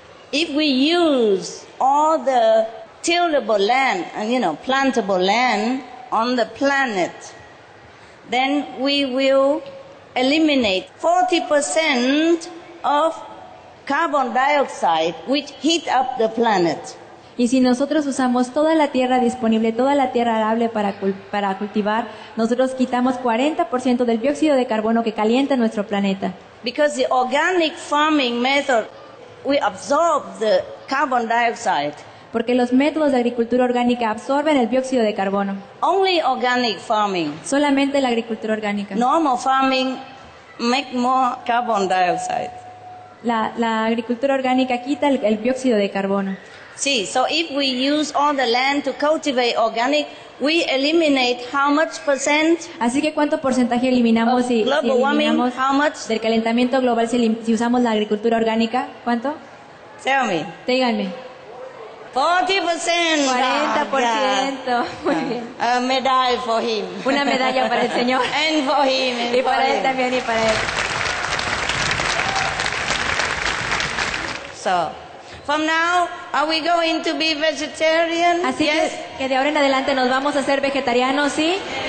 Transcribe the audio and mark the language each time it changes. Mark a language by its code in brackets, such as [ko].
[en] If we use all the tillable land, and you know, plantable land on the planet, then we will eliminate 40% of carbon dioxide, which heat up the planet. [es] Y si nosotros usamos toda la tierra disponible, toda la tierra arable para cultivar, nosotros quitamos 40% del dióxido de carbono que calienta nuestro planeta. [en] Because the organic farming method, we absorb the carbon dioxide. [es] Porque los métodos de agricultura orgánica absorben el dióxido de carbono. [en] Only organic farming. [es] Solamente la agricultura orgánica. [en] Normal farming make more carbon dioxide. [es] La agricultura orgánica quita el dióxido de carbono. [en] Sí, so if we use all the land to cultivate organic, we eliminate how much percent? [es] Así que cuánto porcentaje eliminamos si eliminamos [en] how much? [es] Del calentamiento global si usamos la agricultura orgánica, ¿cuánto? [en] Tell me. [es] Díganme. [en] 40%. [es] 40%. [en] A medal for him. [es] Una medalla para el señor. [en] And for him. [es] Y para él también y para él. [en] So, from now, are we going to be vegetarian? [es] Así [en] yes? [es] que de ahora en adelante nos vamos a hacer vegetarianos, ¿sí?